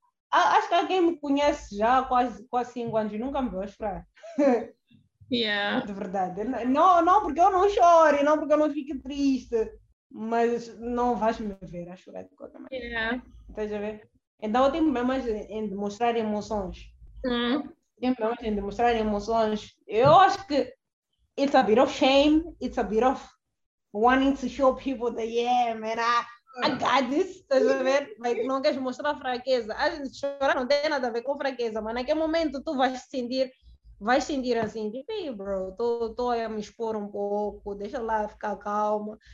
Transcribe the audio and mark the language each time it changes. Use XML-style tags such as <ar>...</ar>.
<pt>Acho que alguém me conhece já há quase 5 anos e nunca me viu chorar.</pt> <en>Yeah.</en> <pt>De verdade. Não, porque eu não choro, não porque eu não fico triste, mas não vais me ver a chorar de qualquer maneira.</pt> <en>Yeah.</en> <pt>Estás a ver? Então eu tenho problemas em demonstrar emoções. Simplesmente demonstrar emoções. Eu acho que</pt> <en>it's a bit of shame, it's a bit of wanting to show people that, yeah, man, I got this,</en> <pt>estás a ver? Mas não queres mostrar fraqueza. A gente chorar não tem nada a ver com fraqueza, mas naquele momento tu vais sentir assim, tipo, hey, bro, estou a me expor um pouco, deixa lá ficar calma.</pt>